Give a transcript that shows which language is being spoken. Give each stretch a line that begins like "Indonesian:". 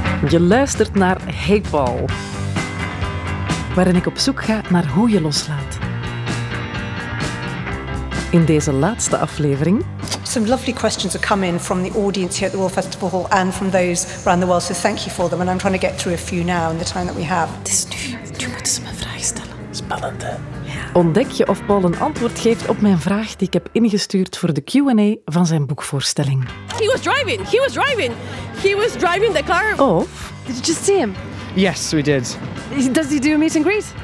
Dutch: Je luistert naar Hey Paul, waarin ik op zoek ga naar hoe je loslaat. In deze laatste aflevering...
English: Some lovely questions have come in from the audience here at the World Festival Hall and from those around the world, so thank you for them. And I'm trying to get through a few now in the time that we have.
Dutch: Het is nu. Nu moeten ze mijn vraag stellen. Spannend, hè? Ontdek je of Paul een antwoord geeft op mijn vraag die ik heb ingestuurd voor de Q&A van zijn boekvoorstelling.
English: He was driving the car.
Dutch: Of...
English: Did you just see him? Yes, we did. Does he do a meet and greet?